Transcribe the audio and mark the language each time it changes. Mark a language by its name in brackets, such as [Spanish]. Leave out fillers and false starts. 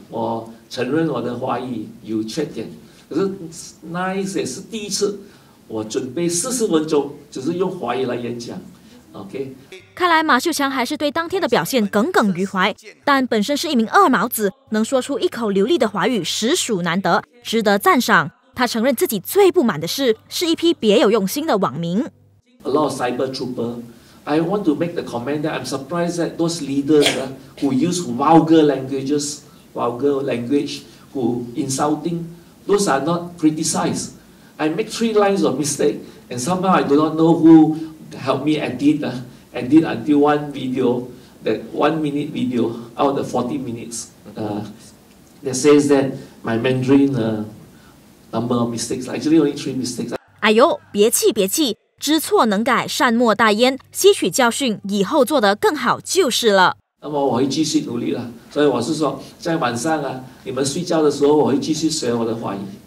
[Chinese] 我承认我的华语有缺点，可是那一次也是第一次，我准备40分钟，只是用华语来演讲。 OK。看来马秀强还是对当天的表现耿耿于怀，但本身是一名二毛子，能说出一口流利的华语实属难得，值得赞赏。他承认自己最不满的事是一批别有用心的网民。 [English] A lot of cyber trooper. I want to make the comment that I'm surprised that those leaders who use vulgar language, who insulting, those are not criticized. I make 3 lines of mistake, and somehow I do not know who helped me edit until one video, that 1 minute video out of 40 minutes, that says that my Mandarin number of mistakes, actually only 3 mistakes. [Chinese] 哎呦，别气别气。知错能改，善莫大焉。吸取教训，以后做得更好就是了。那么我会继续努力了。所以我是说，在晚上啊，你们睡觉的时候，我会继续学我的华语。